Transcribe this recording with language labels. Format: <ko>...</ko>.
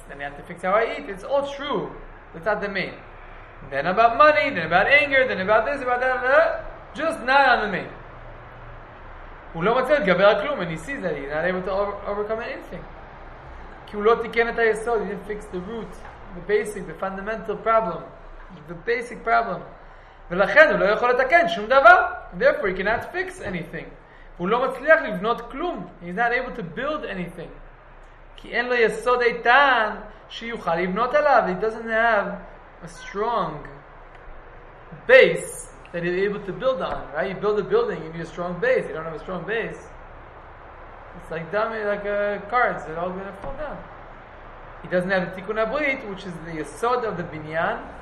<en>Then I have to fix how I eat. It's all true. That's not the main. Then about money, then about anger, then about this, about that, just not on the main. And he sees that he's not able to overcome anything. He didn't fix the root, the basic, the fundamental problem. The basic problem.</en> <he>ולכן הוא לא יכול לתקן שום דבר.</he> <en>Therefore, he cannot fix anything.</en> <he>הוא לא מצליח לבנות כלום.</he> <en>He's not able to build anything.</en> <he>כי אין לו יסוד איתן שיוכל לבנות עליו.</he> <en>He doesn't have a strong base that he's able to build on. Right? You build a building, you need a strong base. You don't have a strong base. It's like dummy, like cards. They're all going to fall down. He doesn't have a tikkun abrit, which is the yesod of the binyan.</en>